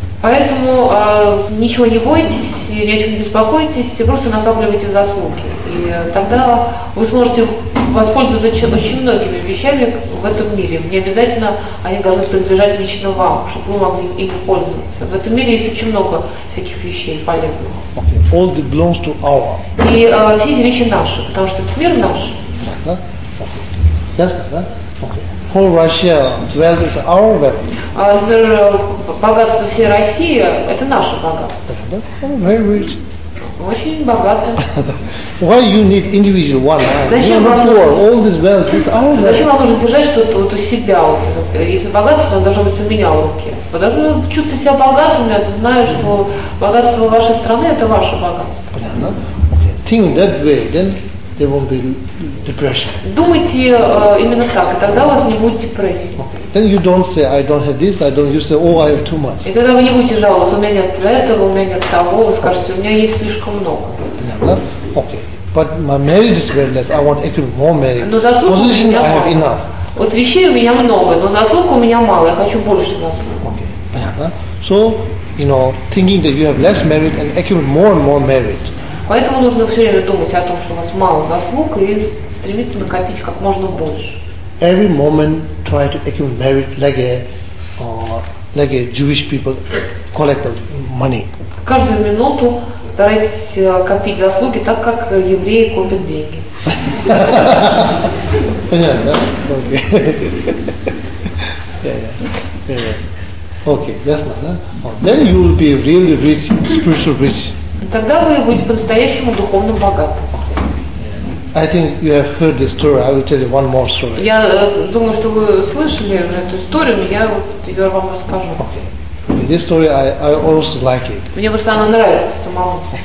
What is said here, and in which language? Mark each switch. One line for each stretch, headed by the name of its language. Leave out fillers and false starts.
Russian: Поэтому ничего не бойтесь, ни о чем не беспокойтесь, просто накапливайте заслуги. И тогда вы сможете воспользоваться очень многими вещами в этом мире. Не обязательно они должны принадлежать лично вам, чтобы вы могли ими пользоваться. В этом мире есть очень много всяких вещей полезных.
English: Okay. All that belongs to our.
Russian: И все эти вещи наши, потому что этот мир наш. Ясно, да? Окей.
English: Whole Russia wealth is our wealth.
Russian: Например, богатство всей России – это наше богатство.
English: Oh, very rich.
Russian: Очень богатое.
English: Why you need individual one?
Russian: Зачем вам нужно?
English: All this wealth is our wealth.
Russian: Зачем вам нужно держать что-то вот у себя? Вот, если богатство, оно должно быть у меня в руке. Вы должны чувствовать себя богатым, я знаю, что богатство вашей страны – это ваше богатство. Понятно?
English: Okay. Think that way, then. There won't be depression.
Russian: Думайте именно так, и тогда у вас не будет депрессии.
English: Okay. Then you don't say I don't have this, I don't. You say oh I have too much.
Russian: И тогда вы не будете жаловаться, у меня нет этого, у меня нет того. Вы скажете, у меня есть слишком много.
English: Okay. But my merit is very less. I want actually more merit.
Russian: Но заслуг
English: position
Russian: у меня
English: I have
Russian: мало.
English: Enough.
Russian: Вот вещей у меня много, но заслуг у меня мало. Я хочу больше заслуг.
English: Okay.
Russian: Понятно?
English: So you know, thinking that you have less merit and accumulate more and more merit.
Russian: Поэтому нужно все время думать о том, что у вас мало заслуг, и стремиться накопить как можно больше.
English: Every moment try to accumulate like a Jewish people collect the money.
Russian: Каждую минуту старайтесь копить заслуги так, как евреи копят деньги. Понятно, да? Окей, ясно, да?
English: Then you will be really rich, spiritual rich.
Russian: Тогда вы будете по-настоящему духовно богаты.
English: I think you have heard this story. I will tell you one more story.
Russian: Я думаю, что вы слышали уже эту историю, но я вот ее вам расскажу.
English: Okay. This story I also like it.
Russian: Мне просто она нравится самому.